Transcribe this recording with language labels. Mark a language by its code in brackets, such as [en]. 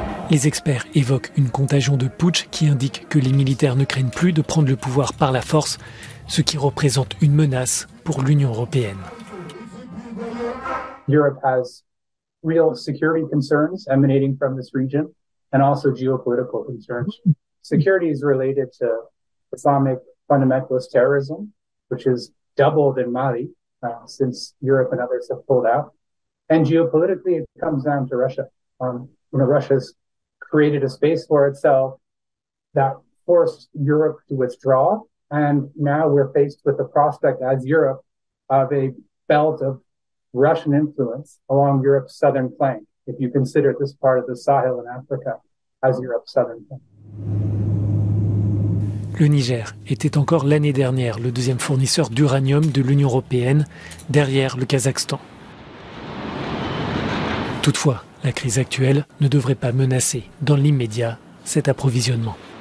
[fr] Les experts évoquent une contagion de putsch qui indique que les militaires ne craignent plus de prendre le pouvoir par la force, ce qui représente une menace pour l'Union européenne. L'Europe a des problèmes de sécurité émanant de cette région et aussi des problèmes géopolitiques. [en] Security is related to Islamic fundamentalist terrorism, which has doubled in Mali since Europe and others have pulled out. And geopolitically, it comes down to Russia. Russia's created a space for itself that forced Europe to withdraw. And now we're faced with the prospect as Europe of a belt of Russian influence along Europe's southern flank, if you consider this part of the Sahel in Africa as Europe's southern flank. [fr] Le Niger était encore l'année dernière le deuxième fournisseur d'uranium de l'Union européenne, derrière le Kazakhstan. Toutefois, la crise actuelle ne devrait pas menacer, dans l'immédiat, cet approvisionnement.